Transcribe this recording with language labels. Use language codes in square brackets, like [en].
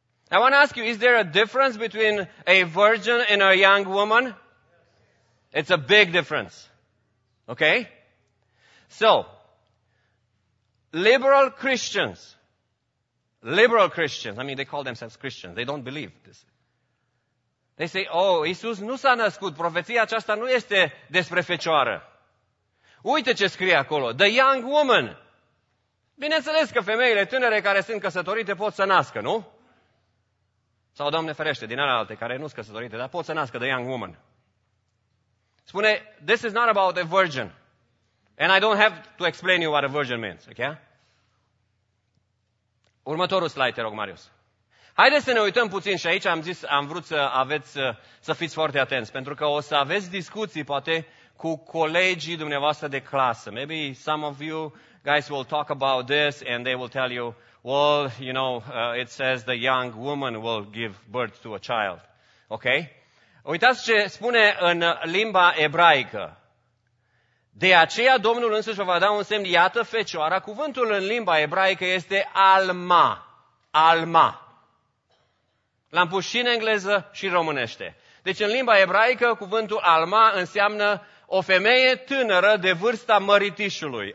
[en] I want to ask you, is there a difference between a virgin and a young woman? It's a big difference. Okay? So, liberal Christians, I mean, they call themselves Christians, they don't believe this. They say, oh, [ro] Iisus nu s-a născut, profeția aceasta nu este despre Fecioară. Uite ce scrie acolo, [en] the young woman. [ro] Bineînțeles că femeile tânere care sunt căsătorite pot să nască, nu? Sau, Doamne ferește, din alte care nu sunt căsătorite, dar pot să nască [en] the young woman. [ro] Spune, [en] this is not about a virgin. And I don't have to explain you what a virgin means, ok? [ro] Următorul slide, te rog, Marius. Haideți să ne uităm puțin și aici am vrut să fiți foarte atenți, pentru că o să aveți discuții, poate, cu colegii dumneavoastră de clasă. [en] Maybe some of you guys will talk about this and they will tell you, well, you know, it says the young woman will give birth to a child. Ok? [ro] Uitați ce spune în limba ebraică. De aceea Domnul însuși vă va da un semn, iată, Fecioara. Cuvântul în limba ebraică este alma. Alma. L-am pus și în engleză și în românește. Deci în limba ebraică, cuvântul alma înseamnă o femeie tânără de vârsta măritișului.